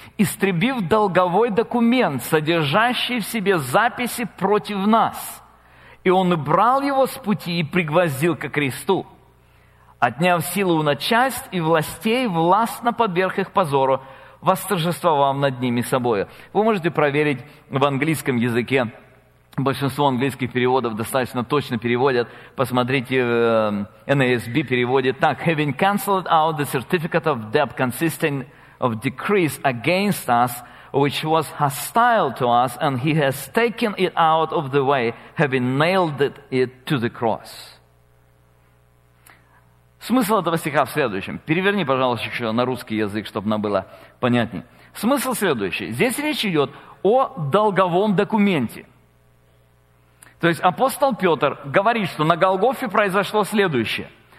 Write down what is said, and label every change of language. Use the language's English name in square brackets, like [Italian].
[Russian] «Истребив долговой документ, содержащий в себе записи против нас, и он убрал его с пути и пригвоздил ко кресту, отняв силу у начальств и властей, властно подверг их позору, восторжествовав над ними собою». Вы можете проверить в английском языке. Большинство английских переводов достаточно точно переводят. Посмотрите, NASB переводит так. [English] «Having cancelled out the certificate of debt consisting of decrees against us, which was hostile to us, and he has taken it out of the way, having nailed it to the cross». [Russian] Смысл этого стиха в следующем. Переверни, пожалуйста, еще на русский язык, чтобы нам было понятнее. Смысл следующий. Здесь речь идет о долговом документе. То есть апостол Петр говорит, что на Голгофе произошло следующее.